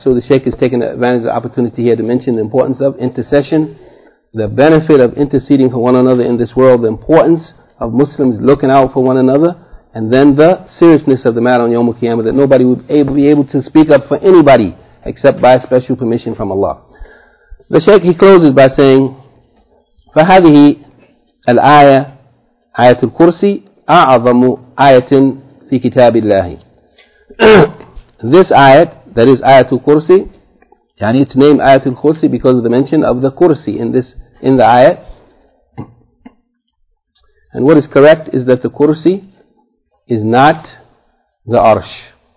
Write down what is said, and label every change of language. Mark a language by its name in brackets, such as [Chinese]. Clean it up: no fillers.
[English] So the Shaykh has taken advantage of the opportunity here to mention the importance of intercession, the benefit of interceding for one another in this world, the importance of Muslims looking out for one another, and then the seriousness of the matter on Yawm al-Qiyamah, that nobody would be able to speak up for anybody except by special permission from Allah. The Shaykh, he closes by saying, [Arabic] فَهَذِهِ الْآيَةِ آيَةُ الْكُرْسِي أَعَظَمُ آيَةٍ فِي كِتَابِ اللَّهِ. [English] This ayat, that is Ayatul Kursi, yani it's named Ayatul Kursi because of the mention of the Kursi in the ayat. And what is correct is that the Kursi is not the Arsh.